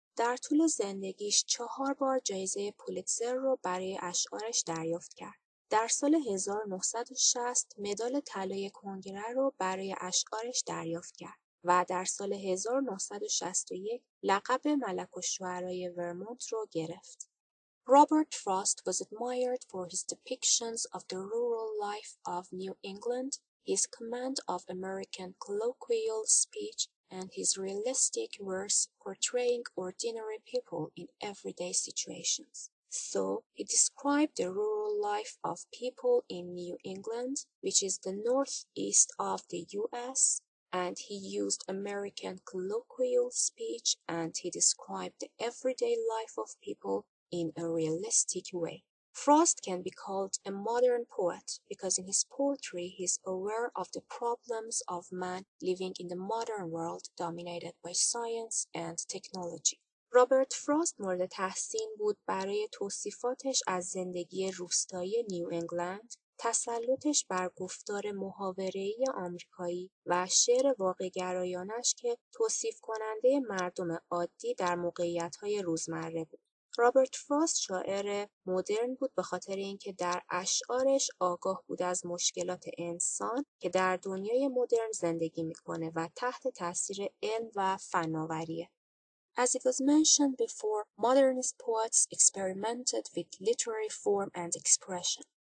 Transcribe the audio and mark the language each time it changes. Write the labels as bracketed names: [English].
[Persian] در طول زندگیش 4 بار جایزه پولیتزر رو برای اشعارش دریافت کرد. در سال 1960 مدال طلای کنگره رو برای اشعارش دریافت کرد و در سال 1961 لقب ملک الشعرای ورمونت رو گرفت. [English] Robert Frost was admired for his depictions of the rural life of New England, his command of American colloquial speech and his realistic verse portraying ordinary people in everyday situations. So, he described the rural life of people in New England, which is the northeast of the US, and he used American colloquial speech and he described the everyday life of people in a realistic way. Frost can be called a modern poet because in his poetry he is aware of the problems of man living in the modern world dominated by science and technology. [Persian] رابرت فراست مورد تحسین بود برای توصیفاتش از زندگی روستایی نیو انگلند، تسلطش بر گفتار محاوره‌ای آمریکایی و شعر واقع‌گرایانش که توصیف کننده مردم عادی در موقعیت‌های روزمره بود. رابرت فراست شاعر مدرن بود به خاطر اینکه در اشعارش آگاه بود از مشکلات انسان که در دنیای مدرن زندگی می‌کنه و تحت تأثیر علم و فناوریه. [English] As it was mentioned before, modernist poets experimented with literary form and expression.